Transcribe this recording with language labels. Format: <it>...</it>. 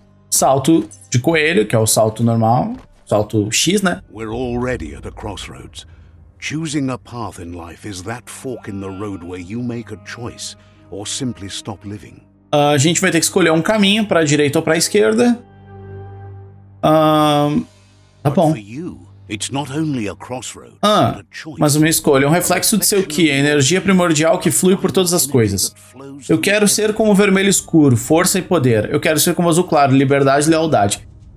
<pt>Salto de coelho, que é o salto normal. Salto X, né?</pt> <en>We're already at a crossroads. Choosing a path in life is that fork in the road where you make a choice or simply stop living.</en> <pt>A gente vai ter que escolher um caminho pra direita ou pra esquerda. Tá bom.</pt> <en>It's not only a crossroad,</en> <pt>ah, mas uma escolha, um reflexo de seu ki, a energia primordial que flui por todas as coisas. Eu quero ser como o vermelho escuro, força e poder. Eu quero ser como o azul claro, liberdade e lealdade.</pt>